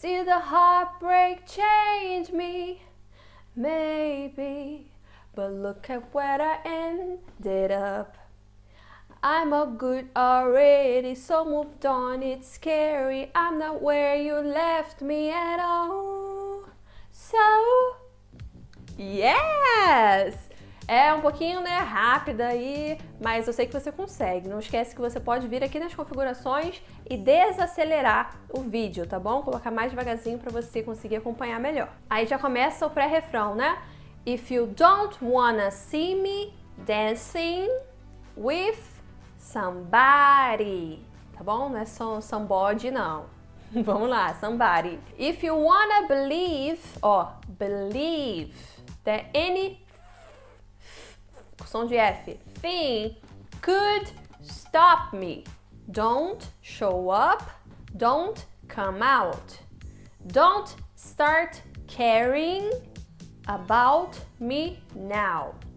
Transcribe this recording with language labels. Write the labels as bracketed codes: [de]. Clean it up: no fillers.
[en] Did the heartbreak change me? Maybe. But look at where I ended up. I'm a good already, so moved on, it's scary. I'm not where you left me at all. So, yes! [pt] É um pouquinho, né, rápida aí, mas eu sei que você consegue. Não esquece que você pode vir aqui nas configurações e desacelerar o vídeo, tá bom? Colocar mais devagarzinho pra você conseguir acompanhar melhor. Aí já começa o pré-refrão, né? [en] If you don't wanna see me dancing with somebody, [pt] tá bom? Não é só somebody, não. Vamos lá, somebody. [en] If you wanna believe, ó, believe that any som de F thing could stop me, don't show up, don't come out, don't start caring about me now.